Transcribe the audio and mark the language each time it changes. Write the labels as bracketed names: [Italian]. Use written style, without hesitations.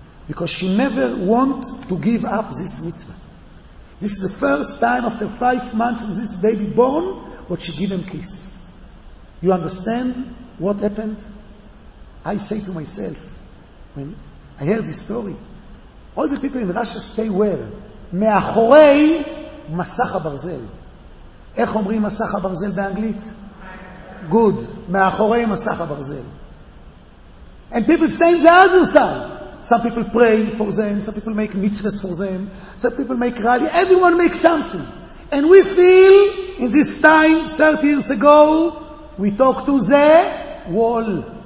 [English] Because she never want to give up this mitzvah. This is the first time after 5 months of this baby born, what she give him kiss. You understand what happened? I say to myself, when I heard this story, all the people in Russia stay where? [Hebrew] Me'achorei Masach HaBarzel. איך אומרים מסך הברזל באנגלית? [English] Good. [Hebrew] מאחורי מסך הברזל. [English] And people stay in the other side. Some people pray for them. Some people make mitzvahs for them. Some people make rally. Everyone makes something. And we feel, in this time, 30 years ago, we talk to the wall.